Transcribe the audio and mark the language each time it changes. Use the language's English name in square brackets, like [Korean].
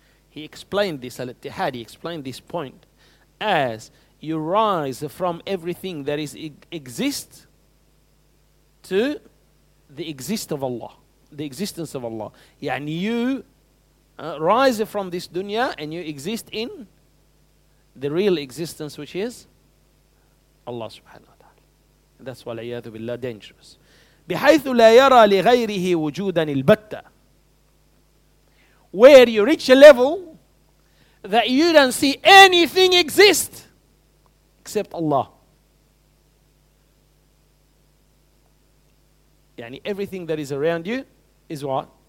[English] He explained this, al-Ittihadi, he explained this point, as you rise from everything that is exist to the exist of Allah, the existence of Allah. يعني you rise from this dunya and you exist in the real existence, which is Allah subhanahu wa ta'ala. That's why العياذ بالله dangerous. [Arabic] بحيث لا يرى لغيره وجودا البتة. [English] Where you reach a level that you don't see anything exist except Allah. يعني everything that is around you is what?